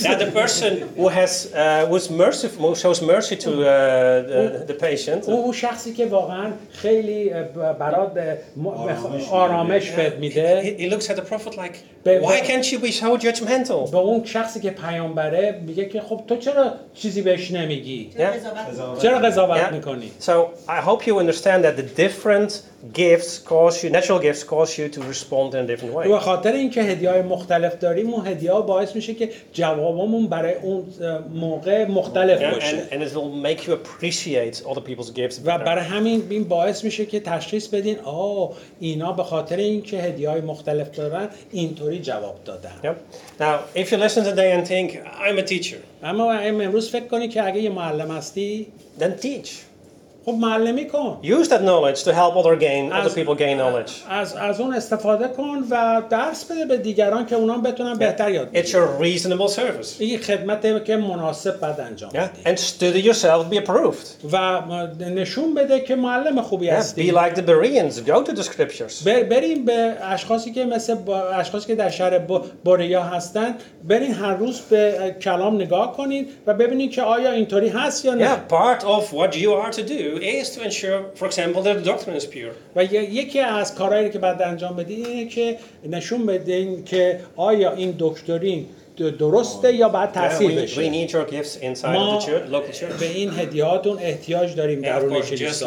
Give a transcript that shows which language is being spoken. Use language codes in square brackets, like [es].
[en] Yeah, the person who has who's merciful, who shows mercy to the patient. [fa] او شخصی که واقعاً خیلی برات آرامش میده. [en] He looks at the prophet like, why can't you be so judgmental? [fa] با اون شخصی که پیامبره میگه که خب تو چرا چیزی بهش نمیگی؟ چرا قضاوت میکنی؟ [en] So I hope you understand that the different gifts cause you, natural gifts cause you to respond in a different way. [fa] و خاطر اینکه هدیه‌های مختلف داریم، اون هدیه‌ها باعث میشه که جوابمون برای اون موقع مختلف باشه. [en] And it will make you appreciate other people's gifts. [fa] و برای همین این باعث میشه که تشخیص بدین آه اینا به خاطر اینکه هدیه‌های مختلف دارن اینطوری جواب دادن. [en] Now, if you listen today and think I'm a teacher. [fa] اما امروز فکر کنی که اگه یه معلم هستی، [en] then teach. [fa] خب معلمی کن. [en] Use that knowledge to help other gain other people gain knowledge. [fa] از اون استفاده کن و درس بده به دیگران که اونا بتونن بهتر یاد بگیرن. [en] It's a reasonable service. [fa] این خدمتی که مناسب بعد انجام بدی. [en] And study yourself, be approved. [fa] و نشون بده که معلم خوبی هستی. [en] Be like the Bereans, go to the scriptures. [fa] بریم به اشخاصی که مثل اشخاصی که در شهر بوریا هستن، برین هر روز به کلام نگاه کنین و ببینین که آیا اینطوری هست یا نه. [en] Yeah, part of what you are to do is to ensure, for example, that the doctrine is pure. [fa] و یکی از کارهایی که بعد انجام بدین اینه که نشون بدین که آیا این دکترین درسته یا بعد تأثیر بشه. [en] We need your gifts inside of the church, local church. [fa] به این هدیهاتون احتیاج داریم درون کلیسا.